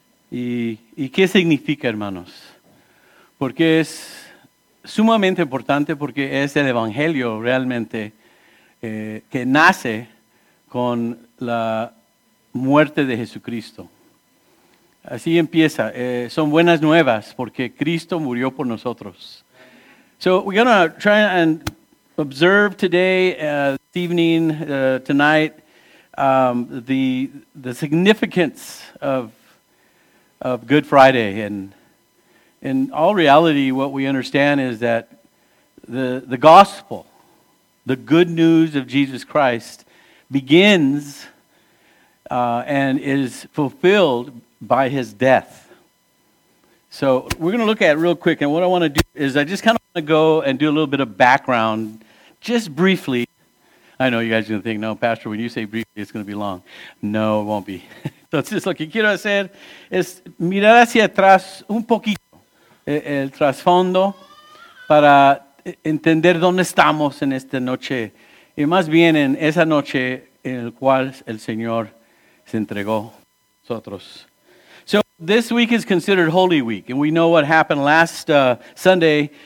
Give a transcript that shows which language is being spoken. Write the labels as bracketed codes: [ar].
[es] Y qué significa, hermanos. Porque es sumamente importante, porque es el Evangelio realmente que nace con la muerte de Jesucristo. Así empieza. Son buenas nuevas porque Cristo murió por nosotros. [en] So we're going to try and observe today, this evening, tonight, the significance of Good Friday, and in all reality, what we understand is that the gospel, the good news of Jesus Christ, begins and is fulfilled by His death. So we're going to look at it real quick, and what I want to do is I just kind of want to go and do a little bit of background, just briefly. I know you guys are going to think, no, Pastor, when you say briefly, it's going to be long. No, it won't be. [es] Entonces, lo que quiero hacer es mirar hacia atrás un poquito, el trasfondo, para entender dónde estamos en esta noche, y más bien en esa noche en la cual el Señor se entregó a nosotros. [en] So, this week is considered Holy Week, and we know what happened last Sunday.